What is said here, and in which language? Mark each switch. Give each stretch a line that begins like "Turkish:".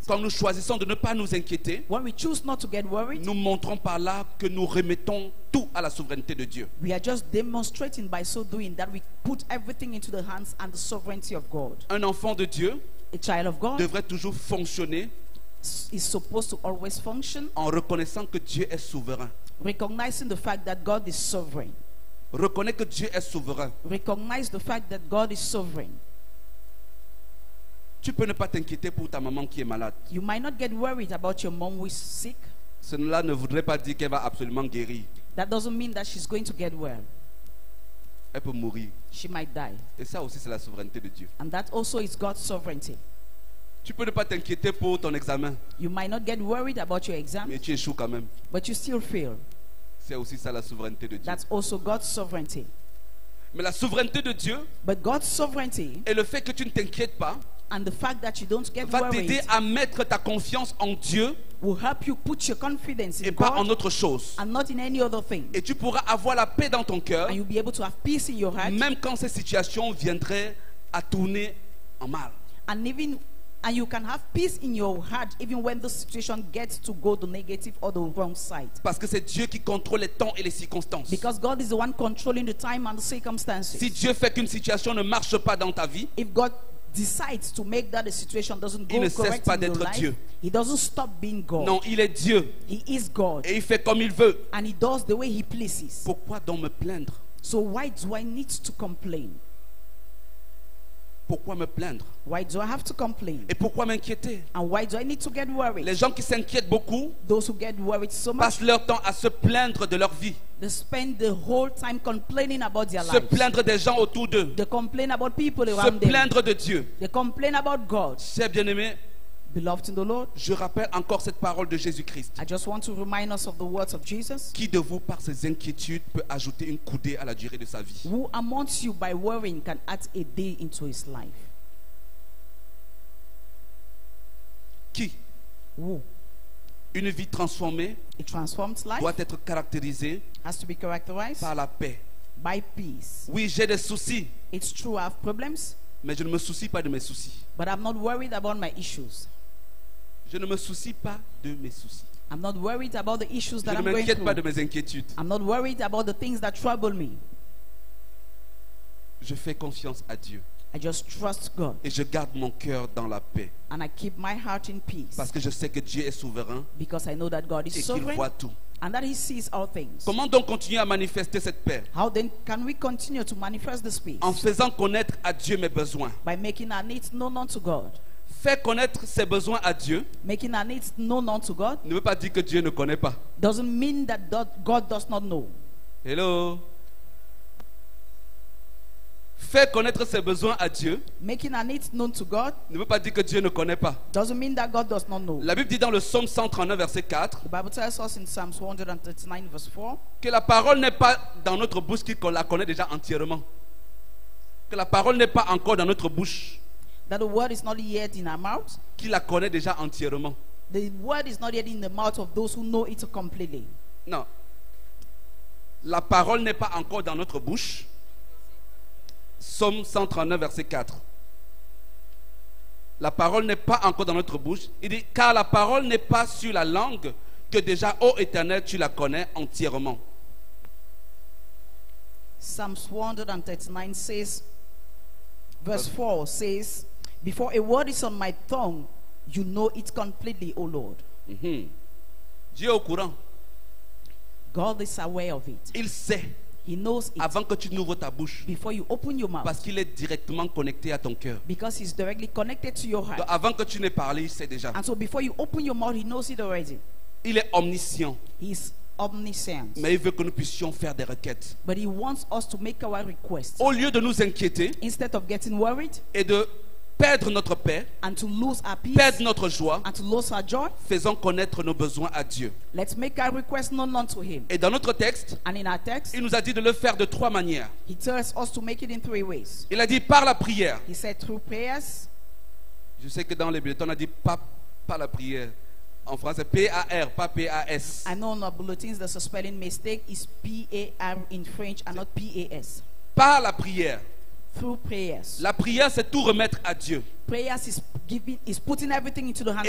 French: Quand nous choisissons de ne pas nous inquiéter,
English: when we choose not to get worried,
French: nous montrons par là que nous remettons tout à la souveraineté de Dieu.
English: We are just demonstrating by so doing that we put everything into the hands and the sovereignty of God.
French: Un enfant de Dieu,
English: a child of God,
French: devrait toujours fonctionner,
English: is supposed to always function,
French: en reconnaissant que Dieu est souverain,
English: recognizing the fact that God is sovereign.
French: Reconnais que Dieu est souverain.
English: Recognize the fact that God is sovereign.
French: Tu peux ne pas t'inquiéter pour ta maman qui est malade.
English: You might not get worried about your mom who is sick.
French: Cela ne voudrait pas dire qu'elle va absolument guérir.
English: That doesn't mean that she's going to get well.
French: Elle peut mourir.
English: She might die.
French: Et ça aussi c'est la souveraineté de Dieu.
English: And that also is God's sovereignty.
French: Tu peux ne pas t'inquiéter pour ton examen.
English: You might not get worried about your exam.
French: Mais tu échoues quand même.
English: But you still fail.
French: C'est aussi ça la souveraineté de Dieu.
English: That's also God's sovereignty.
French: Mais la souveraineté de Dieu,
English: but God's sovereignty,
French: et le fait que tu ne t'inquiètes pas,
English: and the fact that you don't get
French: va
English: worried,
French: t'aider à mettre ta confiance en Dieu,
English: will help you put your confidence in
French: et
English: God,
French: pas en autre chose,
English: and not in any other thing.
French: Et tu pourras avoir la paix dans ton cœur,
English: and you'll be able to have peace in your heart,
French: même quand ces situations viendraient à tourner en mal.
English: And you can have peace in your heart even when the situation gets to go the negative or the wrong side.
French: Parce que c'est Dieu qui contrôle les temps et les circonstances.
English: Because God is the one controlling the time and the circumstances.
French: Si Dieu fait qu'une situation ne marche pas dans ta vie,
English: if God decides to make that the situation doesn't go
French: il ne
English: correct
French: cesse pas
English: in
French: d'être
English: your life,
French: Dieu.
English: He doesn't stop being God.
French: Non, il est Dieu.
English: He is God.
French: Et il fait comme il veut.
English: And he does the way he pleases.
French: Pourquoi donc me plaindre?
English: So why do I need to complain?
French: Pourquoi me plaindre?
English: Why do I have to complain?
French: Et pourquoi m'inquiéter?
English: And why do I need to get worried?
French: Les gens qui s'inquiètent beaucoup,
English: those who get worried so much,
French: passent leur temps à se plaindre de leur vie.
English: They spend the whole time complaining about their lives.
French: Se plaindre des gens autour d'eux.
English: They complain about people around them.
French: Se plaindre de Dieu.
English: They complain about God.
French: Chers bien-aimés,
English: Beloved in the Lord,
French: je rappelle encore cette parole de Jésus-Christ.
English: I just want to remind us of the words of Jesus.
French: Qui de vous par ses inquiétudes peut ajouter une coudée à la durée de sa vie?
English: Who amongst you by worrying can add a day into his life?
French: Qui?
English: Who?
French: Une vie transformée,
English: a transformed life,
French: doit être caractérisée,
English: has to be characterized,
French: par la paix.
English: By peace.
French: Oui, j'ai des soucis.
English: It's true, I have problems.
French: Mais je ne me soucie pas de mes soucis.
English: But I'm not worried about my issues.
French: Je ne me soucie pas de mes soucis.
English: I'm not worried about the issues that I'm going through.
French: Je ne m'inquiète pas de mes inquiétudes.
English: I'm not worried about the things that trouble me.
French: Je fais confiance à Dieu.
English: I just trust God.
French: Et je garde mon cœur dans la paix.
English: And I keep my heart in peace.
French: Parce que je sais que Dieu est souverain.
English: Because I know that God is sovereign.
French: Et qu'il voit tout.
English: And that he sees all things.
French: Comment donc continuer à manifester cette paix?
English: How then can we continue to manifest this peace?
French: En faisant connaître à Dieu mes besoins.
English: By making our needs known unto God.
French: Faire connaître ses besoins à Dieu.
English: Making our needs known unto God.
French: Ne veut pas dire que Dieu ne connaît pas.
English: Doesn't mean that God does not know. Hello.
French: Faire connaître ses besoins à Dieu.
English: Making our needs known to God.
French: Ne veut pas dire que Dieu ne connaît pas.
English: Doesn't mean that God does not know.
French: La Bible dit dans le Psaume 139 verset 4.
English: The Bible tells us in Psalms 139 verse 4.
French: Que la parole n'est pas dans notre bouche qu'on la connaît déjà entièrement. Que la parole n'est pas encore dans notre bouche.
English: That the word is not yet in our mouth.
French: Qui la connaît déjà entièrement.
English: The word is not yet in the mouth of those who know it completely.
French: Non. La parole n'est pas encore dans notre bouche. Psaume 139 verset 4. La parole n'est pas encore dans notre bouche. Il dit, car la parole n'est pas sur la langue, que déjà ô Éternel tu la connais entièrement.
English: Psalms 139 says, verse 4 says, before a word is on my tongue, you know it completely, O Lord.
French: Mm-hmm. Dieu est au courant.
English: God is aware of it.
French: Il sait.
English: He knows it
French: avant que tu n'ouvres ta bouche.
English: Before you open your mouth.
French: Parce qu'il est directement connecté à ton cœur.
English: Because he's directly connected to your heart.
French: Donc avant que tu n'aies parlé, il sait déjà.
English: And so before you open your mouth, he knows it already.
French: Il est omniscient.
English: He's omniscient.
French: Mais il veut que nous puissions faire des requêtes.
English: But he wants us to make our requests.
French: Au lieu de nous inquiéter,
English: instead of getting worried,
French: et de perdre notre paix,
English: and to lose our peace,
French: perdre notre joie,
English: and to lose our joy,
French: faisons connaître nos besoins à Dieu.
English: Let's make our request known unto him.
French: Et dans notre texte,
English: and in our text,
French: il nous a dit de le faire de trois manières.
English: He tells us to make it in three ways.
French: Il a dit par la prière.
English: He said through prayers.
French: Je sais que dans les bulletins on a dit pas la prière. En français, P-A-R, pas P-A-S.
English: I know in our bulletins there's a spelling mistake. It's P-A-R in French and not P-A-S.
French: Par la prière.
English: Through prayers.
French: La prière, c'est tout remettre à Dieu.
English: Prayers is giving, is putting everything into the hands